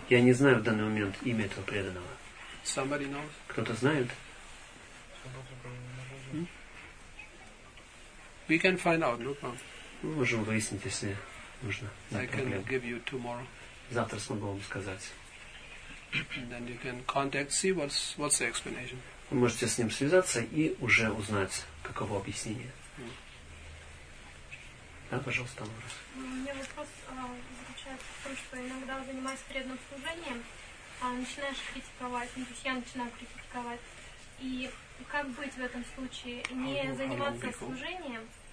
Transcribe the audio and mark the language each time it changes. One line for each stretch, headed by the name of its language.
Russian: Я не знаю в данный момент имя этого преданного.
English: Somebody knows.
Russian: Кто-то знает?
English: We can find out. No problem.
Russian: Мы можем выяснить, если нужно.
English: I can give you tomorrow.
Russian: Завтра смогу вам сказать.
English: And then you can contact, see what's the explanation.
Russian: Вы можете с ним связаться и уже узнать, каково объяснение. Да, пожалуйста, Лора. У меня вопрос заключается в том, что иногда, занимаясь преданным служением, начинаешь критиковать, то есть я начинаю критиковать. И как быть в этом случае? Не заниматься служением?